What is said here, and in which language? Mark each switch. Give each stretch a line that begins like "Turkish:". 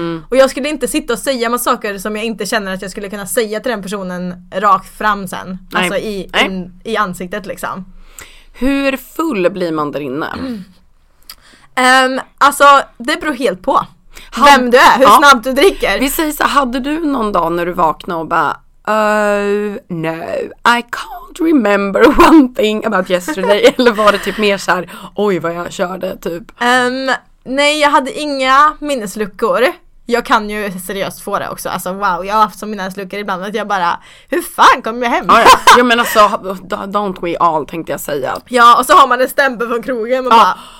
Swedish: Och jag skulle inte sitta och säga massa saker som jag inte känner att jag skulle kunna säga till den personen rakt fram sen. Nej. Alltså i ansiktet liksom. Hur full blir man där inne? Alltså, det beror helt på vem du är, hur snabbt du dricker. Vi säger så, hade du någon dag när du vaknade och bara,
English: Oh no, I can't remember one thing about yesterday.
Swedish: Eller var det typ mer så här, oj vad jag körde typ. Nej, jag hade inga minnesluckor. Jag kan ju seriöst få det också. Alltså wow, jag har haft så minnesluckor ibland att jag bara, hur fan kom jag hem? Ah, ja. Jag menar så,
English: don't we all
Swedish: tänkte jag säga. Ja, och så har man en stämpel från krogen och bara,